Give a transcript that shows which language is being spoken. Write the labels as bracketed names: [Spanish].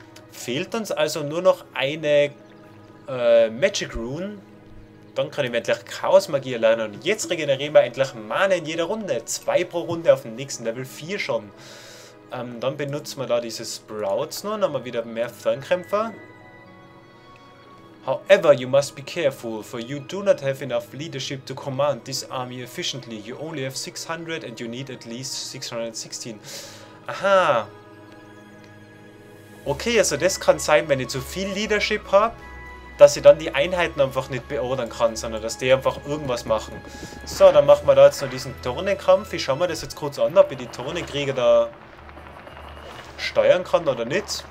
[German] Fehlt uns also nur noch eine Magic Rune. Dann kann ich endlich Chaos Magie erlernen und jetzt regenerieren wir endlich Mana in jeder Runde. 2 pro Runde auf dem nächsten Level 4 schon. Dann benutzen wir da diese Sprouts nur, dann haben wir wieder mehr Fernkämpfer. [English] However, you must be careful, for you do not have enough leadership to command this army efficiently. You only have 600 and you need at least 616. Aha. [German] Okay, also das kann sein, wenn ich zu viel Leadership habe, dass ich dann die Einheiten einfach nicht beordern kann, sondern dass die einfach irgendwas machen. So, dann machen wir da jetzt noch diesen Tornenkampf. Ich schau mir das jetzt kurz an, ob ich die Tornenkrieger da steuern kann oder nicht.